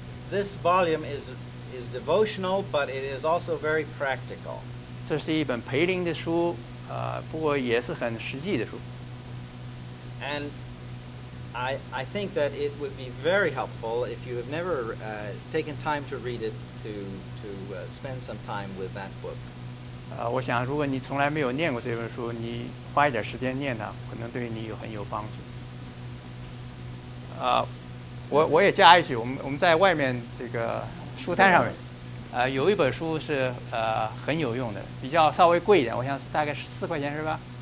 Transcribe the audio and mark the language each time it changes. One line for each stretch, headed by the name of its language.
English: This volume is devotional, but it is also very practical.
Chinese: 这是一本培灵的书，不过也是很实际的书。
English: And I think that it would be very helpful if you have never taken time to read it to spend some time with that book.
Chinese: 我想如果你从来没有念过这本书，你花一点时间念它，可能对你有很有帮助。我也加一句，我们在外面这个书摊上面，有一本书是很有用的，比较稍微贵一点，我想大概是4块钱是吧？